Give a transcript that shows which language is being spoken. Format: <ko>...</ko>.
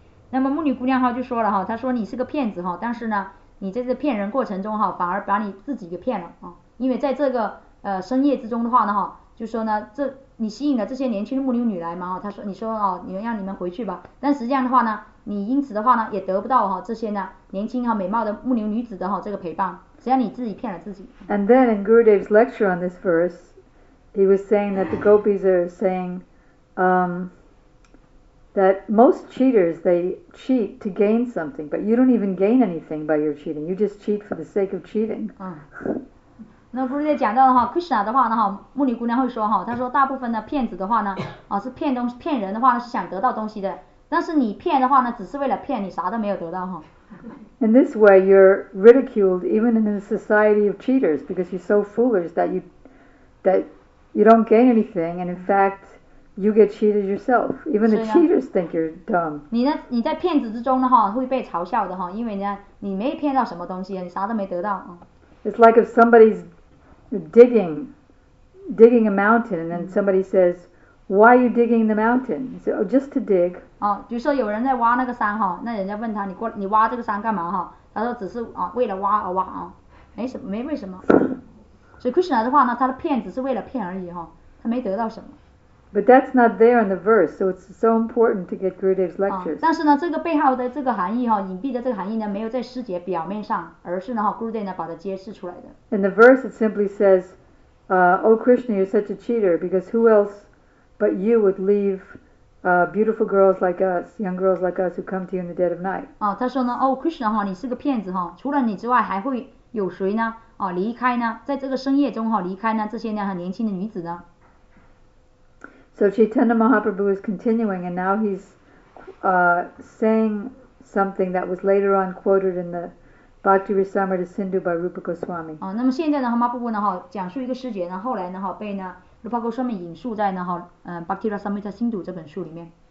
<zh>那么牧女姑娘哈就说了哈，她说你是个骗子哈，但是呢，你在这骗人过程中哈，反而把你自己给骗了啊，因为在这个深夜之中的话呢哈。就说呢，这你吸引了这些年轻的牧牛女来嘛？哦，他说，你说哦，你们让你们回去吧。但实际上的话呢，你因此的话呢，也得不到哈、哦、这些呢年轻哈、哦、美貌的牧牛女子的哈、哦、这个陪伴。实际上你自己骗了自己。</zh> <en>And then in Gurudev's lecture on this verse, he was saying that the gopis are saying, that most cheaters they cheat to gain something, but you don't even gain anything by your cheating. You just cheat for the sake of cheating.</en> <zh>那不是在讲到的话 ，Krishna 的话呢哈，牧女姑娘会说哈，她说大部分的骗子的话呢，啊是骗东西骗人的话呢是想得到东西的，但是你骗的话呢，只是为了骗你啥都没有得到哈。</zh> <en>In this way, you're ridiculed even in a society of cheaters because you're so foolish that you don't gain anything and in fact you get cheated yourself. Even the cheaters think you're dumb.</en> <zh>你在骗子之中的话会被嘲笑的哈，因为呢你没骗到什么东西，你啥都没得到啊。</zh> <en>It's like if somebody's digging a mountain, and then somebody says, "Why are you digging the mountain?" He said, "Oh, just to dig."</en> <zh>哦，就说有人在挖那个山哈，那人家问他，你挖这个山干嘛哈？他说只是啊，为了挖而挖啊，没什么，没为什么。所以 Krishna 的话呢，他的骗只是为了骗而已哈，他没得到什么。</zh> <en>But that's not there in the verse, so it's so important to get Gurudev's lectures.</en> <zh>但是呢，这个背后的这个含义哈，隐蔽的这个含义呢，没有在诗节表面上，而是呢哈 ，Gurudev 呢把它揭示出来的。</zh> <en>In the verse, it simply says, "Oh Krishna, you're such a cheater because who else but you would leave beautiful girls like us, young girls like us, who come to you in the dead of night?"</en> <zh>哦，他说呢，哦 ，Krishna 哈，你是个骗子哈，除了你之外，还会有谁呢？哦，离开呢，在这个深夜中哈，离开呢这些呢很年轻的女子呢？</zh> <en>So Chaitanya Mahaprabhu is continuing, and now he's saying something that was later on quoted in the Bhakti Rasamrita Sindhu by Rupa Goswami.</en> <zh>哦，那么现在呢，马布布呢哈讲述一个师姐呢，后来呢哈被呢 Rupa Goswami 引述在呢哈Bhakti Rasamrita Sindhu 这本书里面。</zh>